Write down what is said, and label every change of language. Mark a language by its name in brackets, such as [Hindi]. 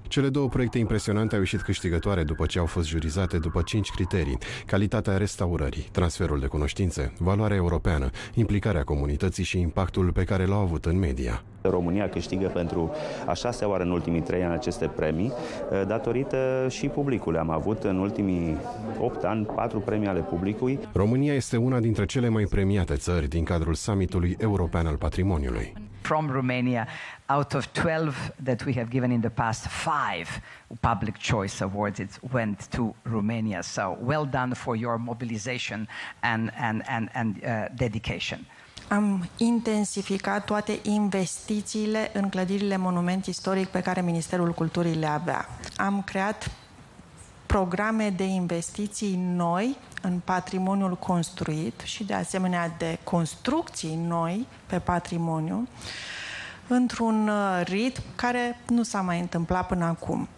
[Romanian] Cele două proiecte impresionante au ieșit câștigătoare după ce au fost jurizate după 5 criterii: calitatea restaurării, transferul de cunoștințe, valoarea europeană, implicarea comunității și impactul pe care l-au avut în media. România câștigă pentru a 6-a oară în ultimii 3 ani aceste premii, datorită și publicului. Am avut în ultimii 8 ani 4 premii ale publicului. România este una dintre cele mai premiate țări din cadrul summitului european al patrimoniului. [English] From Romania, out of 12 that we have given in the past, 5 public choice awards it went to Romania. So well done for your mobilization and dedication. [Romanian] Am intensificat toate investițiile în clădirile monument istoric pe care Ministerul Culturii le avea. Am creat programe de investiții noi în patrimoniul construit și de asemenea de construcții noi pe patrimoniu într-un ritm care nu s-a mai întâmplat până acum.